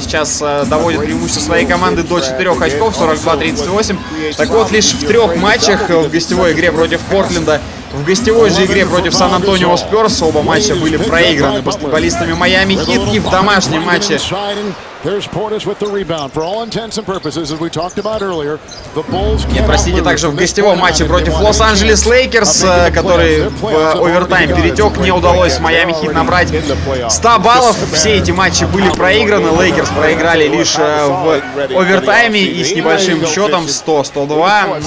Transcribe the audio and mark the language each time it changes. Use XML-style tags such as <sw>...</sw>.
<ru>Сейчас доводит преимущество своей команды до 4 очков, 42-38. Так вот, лишь в 3 матчах, в гостевой игре против Портленда, в гостевой же игре против Сан-Антонио Спёрс, оба матча были проиграны баскетболистами Майами Хит, и в домашнем матче</ru> <en>Here's Portis with the rebound. For all intents and purposes, as we talked about earlier, the Bulls</en> <ru>не простите, также в гостевом матче против Лос-Анджелес Лейкерс, который в овертайм перетек, не удалось Майами Хит набрать 100 баллов. Все эти матчи были проиграны. Лейкерс проиграли лишь в овертайме и с небольшим счетом 100-102.</ru>